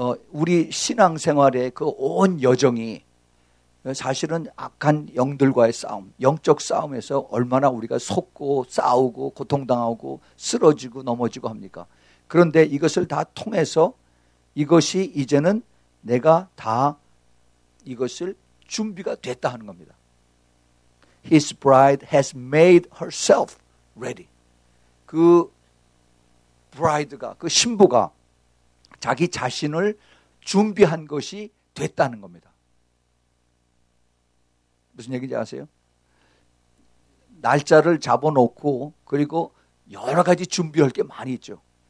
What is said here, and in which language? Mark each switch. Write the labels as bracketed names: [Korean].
[Korean] 우리 신앙생활의 그 온 여정이 사실은 악한 영들과의 싸움, 영적 싸움에서 얼마나 우리가 속고 싸우고 고통당하고 쓰러지고 넘어지고 합니까? 그런데 이것을 다 통해서 이것이 이제는 내가 다 이것을 준비가 됐다 하는 겁니다. [English] His bride has made herself ready. [Korean] 그 브라이드가, 그 신부가 자기 자신을 준비한 것이 됐다는 겁니다. 무슨 얘기인지 아세요? 날짜를 잡아놓고 그리고 여러 가지 준비할 게 많이 있죠.